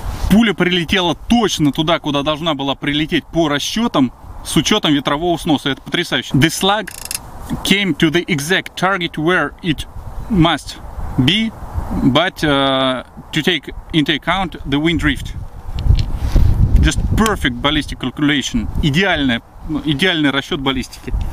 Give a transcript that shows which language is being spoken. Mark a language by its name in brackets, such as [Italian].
[Russian] Пуля прилетела точно туда, куда должна была прилететь по расчетам, с учетом ветрового сноса. Это потрясающе. [English] The slug came to the exact target where it must be, but to take into account the wind drift. Just perfect ballistic calculation. [Russian] Идеальный расчет баллистики.